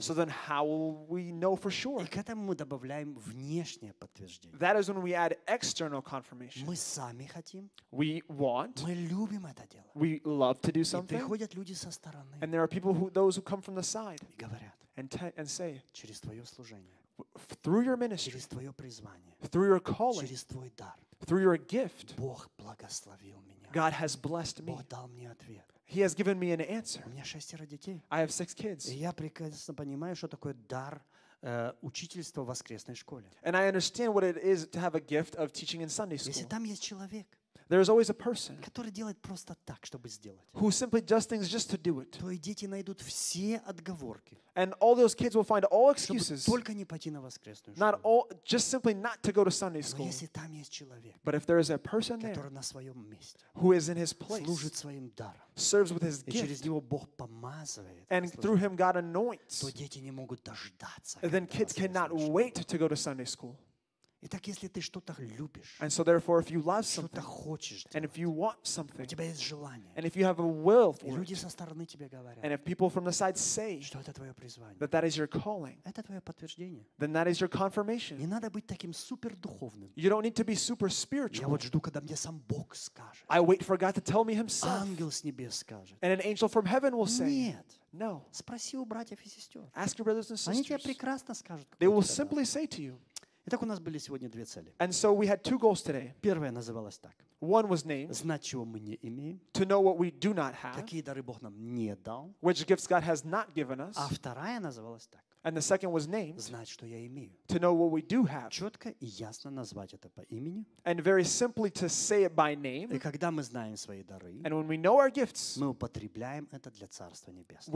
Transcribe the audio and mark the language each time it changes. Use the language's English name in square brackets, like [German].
[English] So then how will we know for sure? [Russian] И к этому мы добавляем внешнее подтверждение. [English] That is when we add external confirmation. [Russian] Мы сами хотим. [English] We want. [Russian] Мы любим это дело. [English] We love to do something. [Russian] И приходят люди со стороны. [English] And there are people who, those who come from the side. [Russian] И говорят. [English] And say. [Russian] Через твое служение. [English] Through your ministry. [Russian] Через твое призвание. [English] Through your calling. [Russian] Через твой дар. [English] Through your gift. [Russian] Бог благословил меня. [English] God has blessed me. [Russian] Бог дал мне ответ. [English] He has given me an answer. [Russian] У меня шестеро детей. [English] I have six kids. [Russian] И я прекрасно понимаю, что такое дар учительства в воскресной школе. [English] And I understand what it is to have a gift of teaching in Sunday school. [Russian] Если там есть человек, [English] There is always a person [Russian] который делает просто так, чтобы сделать. [English] Who simply does things just to do it. [Russian] Твои дети найдут все отговорки. [English] And all those kids will find all excuses. [Russian] Только не пойти на воскресную школу. [English] Not all, just simply not to go to Sunday school. [Russian] Но если там есть человек, [English] but if there is a person [Russian] который на своем месте, [English] who is in his place, [Russian] служит своим даром, [English] serves with his gift, [Russian] и через него Бог помазывает, [English] and through him God anoints, [Russian] то дети не могут дождаться. [English] Then kids cannot wait to go to Sunday school. [Russian] Итак, если ты что-то любишь, [English] and so therefore, if you love something, [Russian] что-то хочешь делать, [English] and if you want something, [Russian] у тебя есть желание, [English] and if you have a will for [Russian] и люди [English] it, [Russian] со стороны тебе говорят, [English] and if people from the side say, [Russian] что это твое призвание, [English] that is your calling, [Russian] это твое подтверждение, [English] then that is your confirmation. [Russian] Не надо быть таким супердуховным. [English] You don't need to be super spiritual. [Russian] Я вот жду, когда мне сам Бог скажет. [English] I wait for God to tell me himself. [Russian] Ангел с небес скажет. [English] And an angel from heaven will say, [Russian] нет. [English] No. [Russian] Спроси у братьев и сестер. [English] Ask your brothers and sisters. [Russian] Они тебе прекрасно скажут. [English] They will simply say to you. [Russian] Итак, у нас были сегодня две цели. [English] And so we had two goals today. [Russian] Первая называлась так. [English] One was named. [Russian] Знать, чего мы не имеем. [English] To know what we do not have. [Russian] Какие дары Бог нам не дал. [English] Which gifts God has not given us. [Russian] А вторая называлась так. [English] And the second was named. [Russian] Знать, что я имею. [English] To know what we do have. [Russian] Четко и ясно назвать это по имени. [English] And very simply to say it by name. [Russian] И когда мы знаем свои дары. [English] And when we know our gifts. [Russian] Мы употребляем это для Царства Небесного.